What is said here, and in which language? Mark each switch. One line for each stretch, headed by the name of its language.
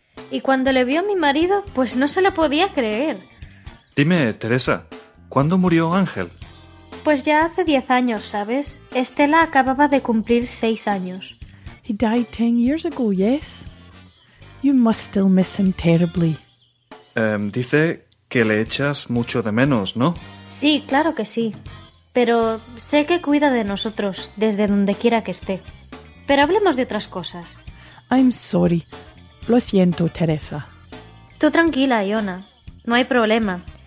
Spanish: Y cuando le vio a mi marido, pues no se lo podía creer. Dime, Teresa, ¿cuándo murió Ángel? Pues ya hace 10 años, ¿sabes? Estela acababa de cumplir 6 años.
English: He died 10 years ago, yes. You must still miss him terribly.
Spanish: Dice que le echas mucho de menos, ¿no? Sí, claro que sí. Pero sé que cuida de nosotros desde donde quiera que esté. Pero hablemos de otras cosas.
English: I'm sorry.
Spanish: Lo siento,
English: Teresa.
Spanish: Tú tranquila, Ayona. No hay problema.